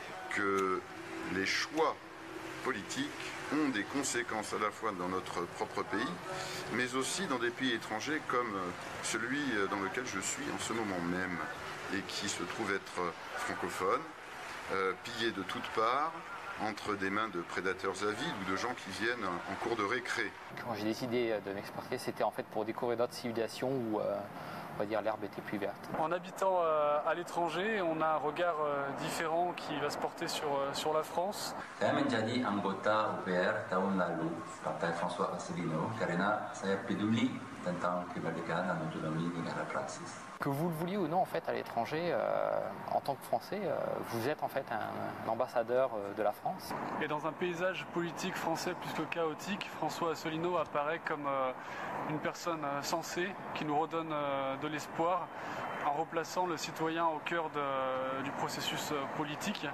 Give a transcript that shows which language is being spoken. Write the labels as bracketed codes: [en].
[fr] que les choix politiques ont des conséquences à la fois dans notre propre pays, mais aussi dans des pays étrangers comme celui dans lequel je suis en ce moment même et qui se trouve être francophone, pillé de toutes parts, entre des mains de prédateurs avides ou de gens qui viennent en cours de récré. Quand j'ai décidé de m'expatrier, c'était en fait pour découvrir d'autres civilisations où on va dire l'herbe était plus verte. En habitant à l'étranger, on a un regard différent qui va se porter sur la France. [id] Saya menjadi anggota UPR tahun lalu partai François Asselineau karena saya peduli tentang kemerdekaan dan autonomi negara Prancis. [fr] Que vous le vouliez ou non, en fait, à l'étranger, en tant que Français, vous êtes en fait un ambassadeur de la France. Et dans un paysage politique français plus que chaotique, François Asselineau apparaît comme une personne sensée qui nous redonne de l'espoir en replaçant le citoyen au cœur du processus politique.